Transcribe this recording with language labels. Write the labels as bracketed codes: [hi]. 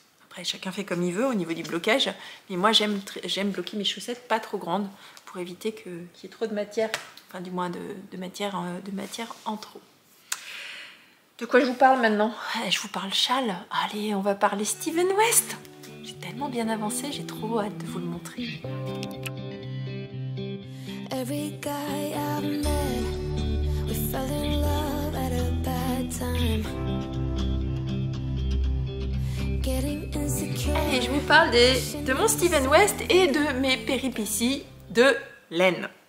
[fr] Après chacun fait comme il veut au niveau du blocage, mais moi j'aime bloquer mes chaussettes pas trop grandes pour éviter qu'il y ait trop de matière, enfin du moins de matière en trop. De quoi je vous parle maintenant? Je vous parle châle. Allez, on va parler Steven West. J'ai tellement bien avancé, j'ai trop hâte de vous le montrer. [en] Every guy I've met, we fell in love at a bad time. Getting insecure. [fr] Allez, je vous parle de mon Steven West et de mes péripéties de laine.